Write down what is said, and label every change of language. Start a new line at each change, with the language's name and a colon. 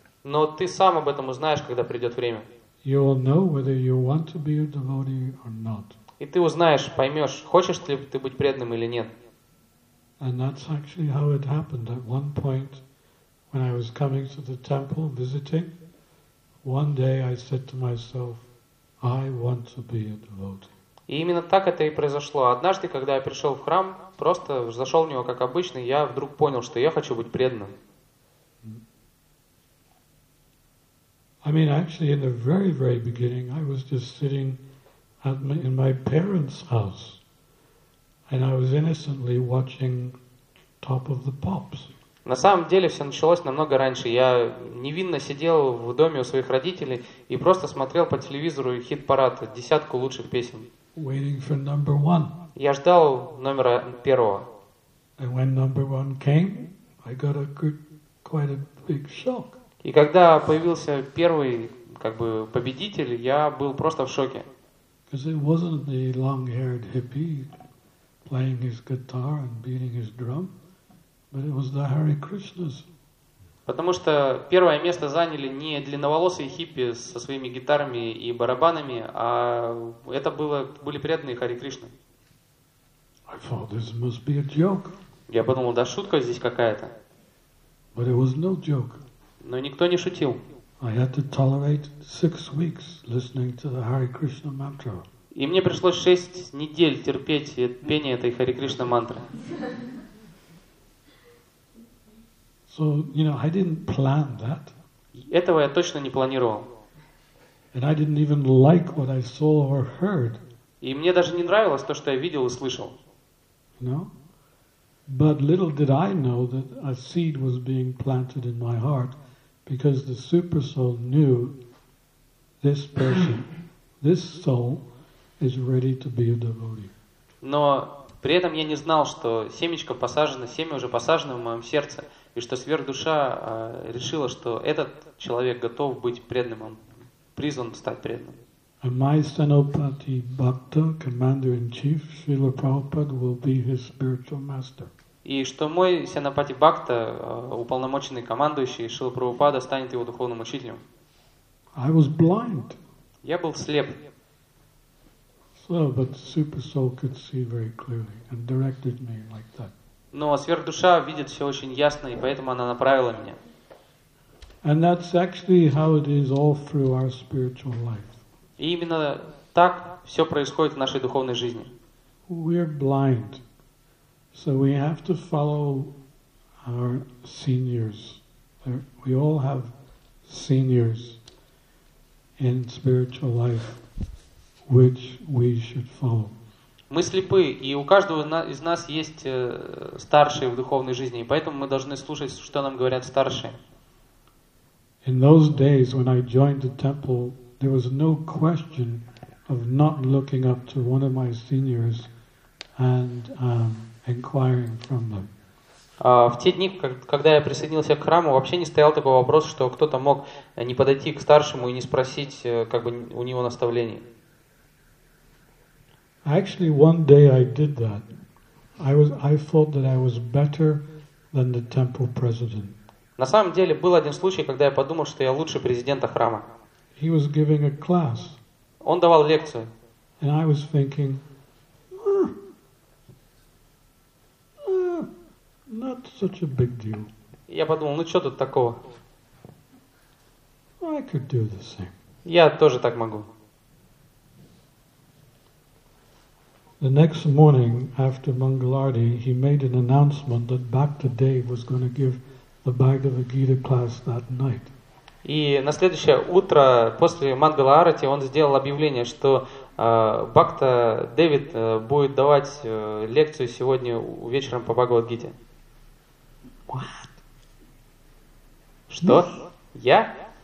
Russian: Но ты сам об этом узнаешь, когда придет время.
English: You will know whether you want to be a devotee or not.
Russian: И ты узнаешь, поймешь, хочешь ли ты быть преданным или нет.
English: And that's actually how it happened. At one point, when I was coming to the temple visiting, one day I said to myself, I want to be a devotee.
Russian: И именно так это и произошло. Однажды, когда я пришел в храм, просто зашел в него как обычно, я вдруг понял, что я хочу быть преданным.
English: I mean, actually, in the very, very beginning, I was just sitting in my parents' house, and I was innocently watching Top of the Pops.
Russian: На самом деле все началось намного раньше. Я невинно сидел в доме у своих родителей и просто смотрел по телевизору хит-парад, десятку лучших песен.
English: Waiting for number one.
Russian: Я ждал номера первого.
English: And when number one came, I got quite a big shock.
Russian: И когда появился первый, как бы победитель, я был просто в шоке.
English: Because it wasn't the long-haired hippie playing his guitar and beating his drum, but it was the Hare Krishnas.
Russian: Потому что первое место заняли не длинноволосые хиппи со своими гитарами и барабанами, а это были преданные Харе Кришны.
English: I thought this must be a joke.
Russian: Я подумал, да шутка здесь какая-то.
English: But it was no joke.
Russian: Но никто не шутил.
English: I had to tolerate 6 weeks listening to the Hare Krishna mantra.
Russian: И мне пришлось 6 недель терпеть пение этой Харе Кришна мантры.
English: So, you know, I didn't plan that.
Russian: Этого я точно не планировал.
English: And I didn't even like what I saw or heard.
Russian: И мне даже не нравилось то, что я видел и слышал.
English: No? But little did I know that a seed was being planted in my heart, because the super soul knew this person, this soul is ready to be a devotee.
Russian: Но при этом я не знал, что семечко посажено, семя уже посажено в моем сердце, и что сверхдуша решила, что этот человек готов быть преданным, он призван стать преданным.
English: And my Sanopati Bhakta, Commander-in-Chief, Srila Prabhupada, will be his spiritual master.
Russian: И что мой Сенапати Бхакта, уполномоченный командующий Шрила Прабхупада, станет его духовным учителем.
English: I was blind.
Russian: Я был слеп.
English: So, but Super Soul could see very clearly and directed me like that.
Russian: Но сверхдуша видит все очень ясно, и поэтому она направила меня.
English: And that's actually how it is all through our spiritual life.
Russian: И именно так все происходит в нашей духовной жизни.
English: We're blind. So we have to follow our seniors. We all have seniors in spiritual life, which we should follow.
Russian: Мы слепы, и у каждого из нас есть старшие в духовной жизни, и поэтому мы должны слушать, что нам говорят старшие.
English: In those days, when I joined the temple, there was no question of not looking up to one of my seniors and inquiring from them.
Russian: В те дни, когда я присоединился к храму, вообще не стоял такой вопрос, что кто-то мог не подойти к старшему и не спросить, как бы у него наставлений.
English: Actually, one day I did that. I thought that I was better than the temple president.
Russian: На самом деле был один случай, когда я подумал, что я лучше президента храма.
English: He was giving a class.
Russian: Он давал лекцию.
English: And I was thinking. Not such a big deal.
Russian: Я подумал, ну что тут такого?
English: I could do the same.
Russian: Я тоже так могу.
English: The next morning after Mangalarti, he made an announcement that Bhakta Dave was going to give the Bhagavad Gita class that night.
Russian: И на следующее утро после Мангаларати он сделал объявление, что Бхакта Дэвид будет давать лекцию сегодня вечером по Бхагавад Гите.
English: What?
Russian: Что? Я?